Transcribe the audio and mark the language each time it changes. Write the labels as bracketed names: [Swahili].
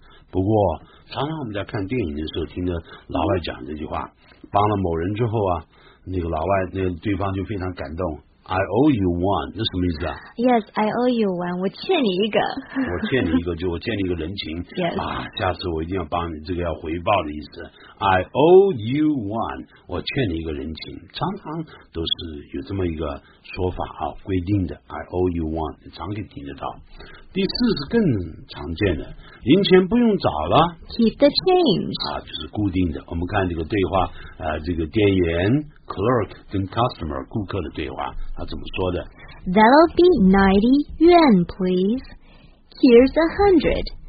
[Chinese] 不过常常我们在看电影的时候听着老外讲这句话，帮了某人之后啊，那个老外那个、对方就非常感动。 [English] I owe you one， [Chinese] 那什么意思啊？ [English] Yes， I owe you one， [Chinese] 我欠你一个。我欠你一个，就我欠你一个人情。 [English] Yes， [Chinese] 啊，下次我一定要帮你，这个要回报的意思。 [English] I owe you one， [Chinese] 我欠你一个人情，常常都是有这么一个说法啊，规定的。 [English] I owe you one， [Chinese] 常可以听得到。第四是更常见的，零钱不用找了。 [English] Keep the change。 [Chinese] 啊，就是固定的。我们看这个对话，这个店员 clerk 跟 customer 顾客的对话，他怎么说的 [English] ？That'll be 90 yuan, please. Here's 100.